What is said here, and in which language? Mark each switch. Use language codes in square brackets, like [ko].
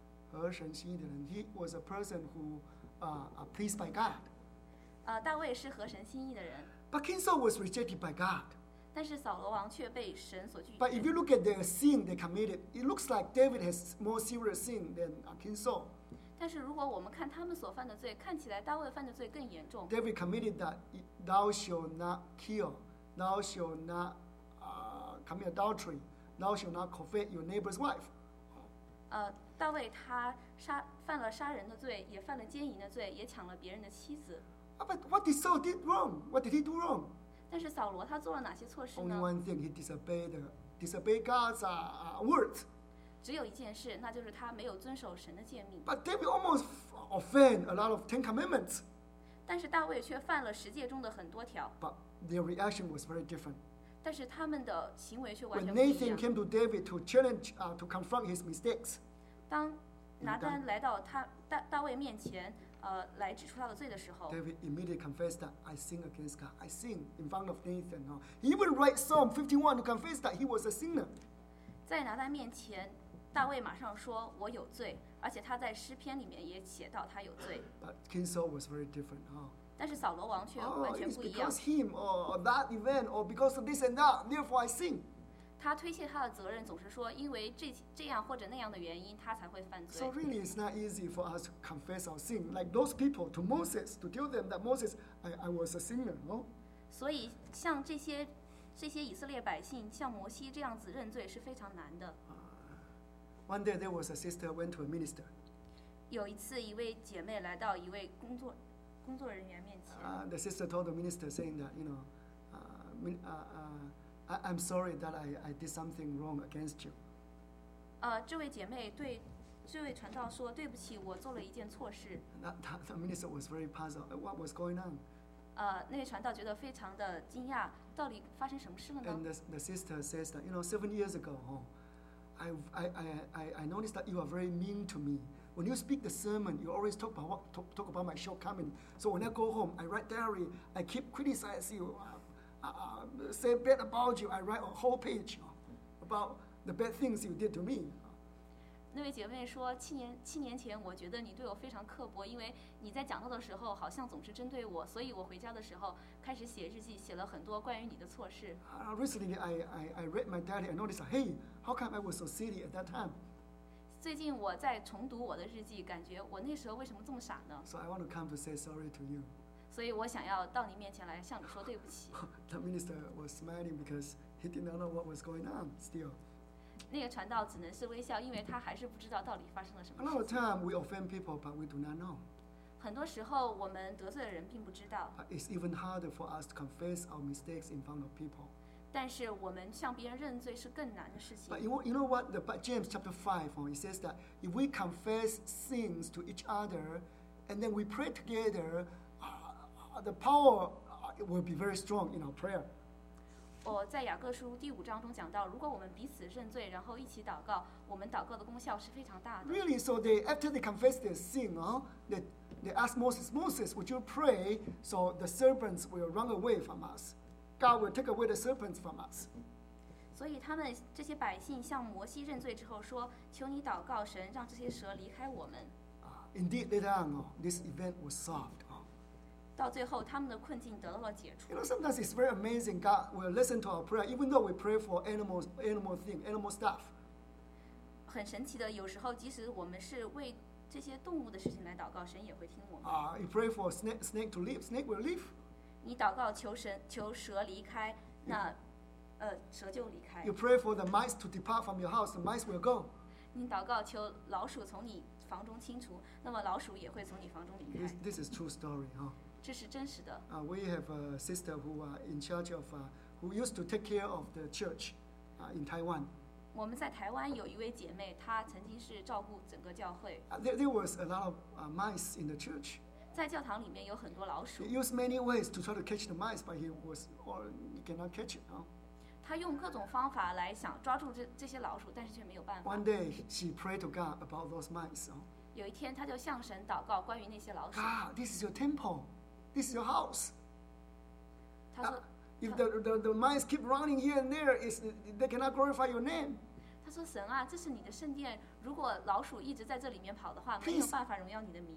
[zh] 合神心意的人 [en] ，He was a person who, pleased by God. [zh] 大卫是合神心意的人。 [en] But King Saul was rejected by God. [zh] 但是扫罗王却被神所拒绝。 [en] But if you look at the sin they committed, it looks like David has more serious sin than King Saul. [zh] 但是如果我们看他们所犯的罪，看起来大卫犯的罪更严重。 [en] David committed that thou shalt not kill, thou shalt not, commit adultery, thou shalt not covet your neighbor's wife. [zh] 大卫他杀犯了杀人的罪，也犯了奸淫的罪，也抢了别人的妻子。 [en] But what did Saul did wrong? What did he do wrong? [zh] 但是扫罗他做了哪些错事呢 [en] ？Only one thing, he disobeyed God's words. [zh] 只有一件事，那就是他没有遵守神的诫命。 [en] But David almost offend a lot of Ten Commandments. [zh] 但是大卫却犯了十诫中的很多条。 [en] But their reaction was very different. [zh] 但是他们的行为却完全不一样。 [en] When Nathan came to David to challenge, to confront his mistakes. [zh] 当拿单来到他大卫面前，来指出他的罪的时候 [en] ，David immediately confessed that I sin against God. I sin in front of Nathan. He even write Psalm 51 to confess that he was a sinner. [zh] 在拿单面前，大卫马上说：“我有罪。” 而且他在诗篇里面也写到他有罪。 [en] But King Saul was very different. [zh] 但是扫罗王却完全不一样。 [en] Oh, it's because him or that event or because of this and that, therefore I sin. [zh] 他推卸他的责任，总是说因为 这样或者那样的原因，他才会犯罪。 [en] So really, it's not easy for us to confess our sin, like those people to Moses to tell them that Moses, I was a sinner, no? [zh] 所以像这些以色列百姓像摩西这样子认罪是非常难的。 [en] One day there was a sister went to a minister. [zh] 有一次，一位姐妹来到一位工作人员面前。 [en] The sister told the minister saying that, you know, I'm sorry that I did something wrong against you. [zh] 这位姐妹对这位传道说：“对不起，我做了一件错事。” [en] The minister was very puzzled. What was going on? [zh] 那位传道觉得非常的惊讶，到底发生什么事了呢 [en] ？And the sister says that, you know, 7 years ago, I noticed that you are very mean to me. When you speak the sermon, you always talk about my shortcoming. So when I go home, I write diary. I keep criticizing you. Say bad about you. I write a whole page about the bad things you did to me. [zh] 那位姐妹说，七年前，我觉得你对我非常刻薄，因为你在讲道的时候好像总是针对我，所以我回家的时候开始写日记，写了很多关于你的错事。 [en] Recently, I read my diary. I noticed, hey, how come I was so silly at that time? [zh] 最近我在重读我的日记，感觉我那时候为什么这么傻呢 [en] ？So I want to come to say sorry to you. [zh] 所以我想要到你面前来向你说对不起。 [en] The minister was smiling because he did not know what was going on. Still, [zh] 那个传道只能是微笑，因为他还是不知道到底发生了什么。 [en] A lot of time we offend people, but we do not know. [zh] 很多时候我们得罪的人并不知道。 [en] It's even harder for us to confess our mistakes in front of people. [zh] 但是我们向别人认罪是更难的事情。 [en] But you know what? The James chapter 5, it says that if we confess sins to each other, and then we pray together. The power will be very strong in our prayer. [zh] 我在雅各书第五章中讲到，如果我们彼此认罪，然后一起祷告，我们祷告的功效是非常大的。 [en] Really, so after they confess their sin, they ask Moses, Moses, would you pray so the serpents will run away from us? God will take away the serpents from us. [zh] 所以他们这些百姓向摩西认罪之后说，求你祷告神，让这些蛇离开我们。 [en] Indeed, later on, this event was solved. [zh] 到最后，他们的困境得到了解除。 [en] You know, sometimes it's very amazing. God will listen to our prayer, even though we pray for animal stuff. [zh] 很神奇的，有时候即使我们是为这些动物的事情来祷告，神也会听我们。 [en] You pray for snake to leave, snake will leave. [zh] 你祷告求神求蛇离开，那蛇就离开。 [en] You pray for the mice to depart from your house, the mice will go. [zh] 你祷告求老鼠从你房中清除，那么老鼠也会从你房中离开。 [en] This is true story, huh? [zh] 这是真实的。 [en] We have a sister who are in charge of, who used to take care of the church, in Taiwan. [zh] 我们在台湾有一位姐妹，她曾经是照顾整个教会。 [en] There was a lot of mice in the church. [zh] 在教堂里面有很多老鼠。 [en] He used many ways to try to catch the mice, but he cannot catch it, huh? [zh] 他用各种方法来想抓住 这些老鼠，但是却没有办法。 [en] One day, she prayed to God about those mice. [zh] 有一天，他就向神祷告关于那些老鼠。 [en] God, this is your temple. This is your house. [zh] 他说 [en] If the mice keep running here and there, they cannot glorify your name. [zh] 他说神啊，这是你的圣殿，如果老鼠一直在这里面跑的话，没有办法荣耀你的名。